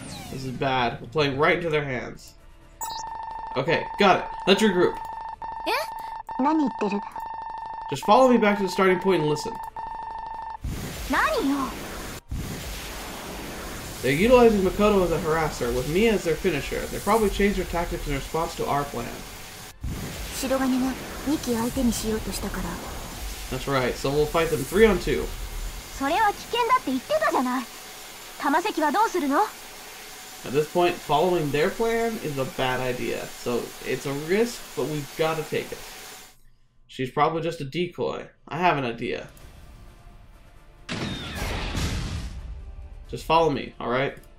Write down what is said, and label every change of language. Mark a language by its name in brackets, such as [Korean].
[English] This is bad. We're playing right into their hands. Okay, got it. Let's regroup. Eh? [Japanese] 何言ってる? [English] Just follow me back to the starting point and listen. [Japanese] 何よ? [English] They're utilizing Makoto as a harasser, with Meiya as their finisher. They probably changed their tactics in response to our plan. [Japanese] 白金が2機相手にしようとしたから。 [English] That's right, so we'll fight them 3-on-2. [Japanese] それは危険だって言ってたじゃない。玉石はどうするの? [English] At this point, following their plan is a bad idea. So it's a risk, but we've got to take it. She's probably just a decoy. I have an idea. Just follow me, alright?